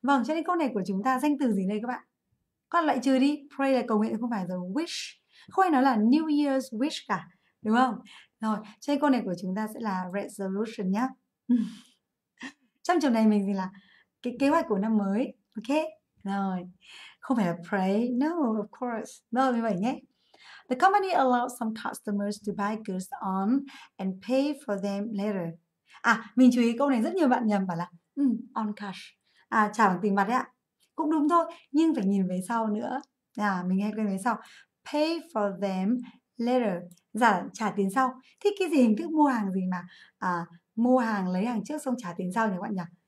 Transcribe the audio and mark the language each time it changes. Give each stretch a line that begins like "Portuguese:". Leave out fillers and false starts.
Vietnamese: Vâng, cho nên câu này của chúng ta danh từ gì đây các bạn? Còn lại trừ đi, pray là cầu nguyện, không phải là wish. Không ai nói là
English: New Year's wish
Vietnamese: cả, đúng không? Rồi, cho nên câu này của chúng ta sẽ là resolution nhá. Trong trường này mình dịch là cái kế hoạch của năm mới, ok? Rồi, không phải là pray,
English: no, of course.
Vietnamese: Rồi, như vậy nhé.
English: The company allows some customers to buy goods on and pay for them later.
Vietnamese: À, mình chú ý câu này rất nhiều bạn nhầm bảo là
English: on cash.
Vietnamese: À, trả bằng tiền mặt đấy ạ. Cũng đúng thôi, nhưng phải nhìn về sau nữa. À, mình hay quên về sau.
English: Pay for them later.
Vietnamese: Giả là trả tiền sau. Thì cái gì hình thức mua hàng gì mà mua hàng, lấy hàng trước xong trả tiền sau nhỉ các bạn nhỉ?